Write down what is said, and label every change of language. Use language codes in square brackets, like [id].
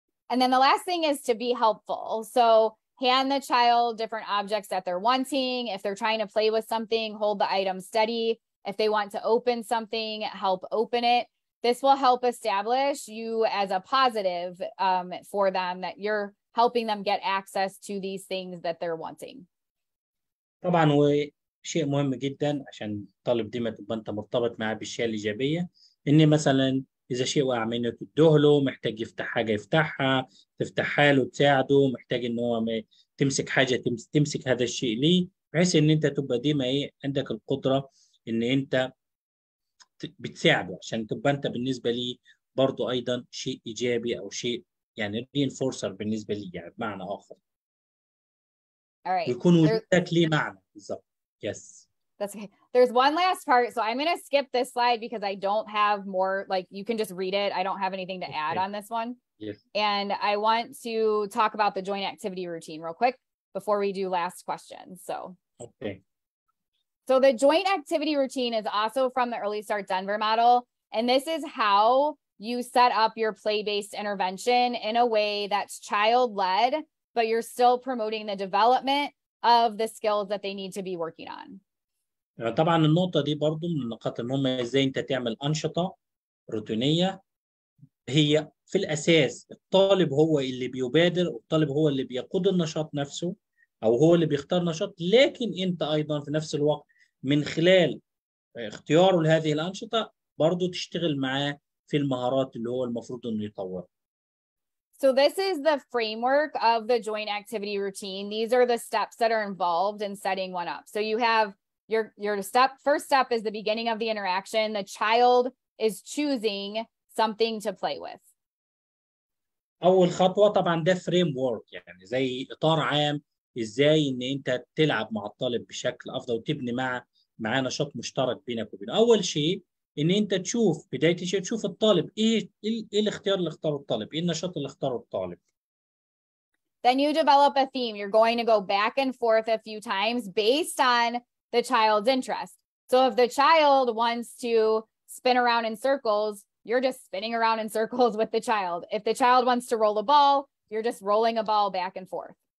[en] And then the last thing is to be helpful. So hand the child different objects that they're wanting. If they're trying to play with something, hold the item steady. If they want to open something, help open it. This will help establish you as a positive for them that you're helping them get access to these things that they're wanting. [ar] طبعا هو شيء مهم جدا عشان الطالب ديما تبقى انت مرتبط معاه بالشيء الايجابيه ان مثلا اذا شيء وقع منه تديه له محتاج يفتح حاجه يفتحها تفتح حاله تساعده محتاج ان هو تمسك حاجه تمسك هذا الشيء ليه بحيث ان انت تبقى ديما ايه عندك القدره ان انت بتساعده عشان تبقى انت بالنسبه لي برضو ايضا شيء ايجابي او شيء يعني رينفورسر بالنسبه لي يعني بمعنى اخر. [en] All right. [ar] يكون وجودك ليه معنى بالظبط. [en] Yes. That's okay. There's one last part. So I'm going to skip this slide because I don't have more, like you can just read it. I don't have anything to add on this one. Yes. And I want to talk about the joint activity routine real quick before we do last questions. So. Okay. So the joint activity routine is also from the Early Start Denver model. And this is how you set up your play-based intervention in a way that's child-led, but you're still promoting the development of the skills that they need to be working on. [ar] طبعا النقطة دي برضو من النقاط المهمة ازاي انت تعمل أنشطة روتينية هي في الأساس الطالب هو اللي بيبادر والطالب هو اللي بيقود النشاط نفسه أو هو اللي بيختار نشاط لكن انت أيضا في نفس الوقت من خلال اختياره لهذه الأنشطة برضو تشتغل معاه في المهارات اللي هو المفروض انه يطور. [en] So this is the framework of the joint activity routine. These are the steps that are involved in setting one up. So you have your step, first step is the beginning of the interaction. The child is choosing something to play with. [ar] أول خطوة طبعا ده framework يعني زي إطار عام إزاي إن أنت تلعب مع الطالب بشكل أفضل وتبني معاه نشاط مشترك بينك وبينه. أول شيء إن أنت تشوف بداية الشيء تشوف الطالب إيه الاختيار اللي اختاره الطالب، إيه النشاط اللي اختاره الطالب. [en] Then you develop a theme. You're going to go back and forth a few times based on the child's interest. So if the child wants to spin around in circles, you're just spinning around in circles with the child. If the child wants to roll a ball, you're just rolling a ball back and forth.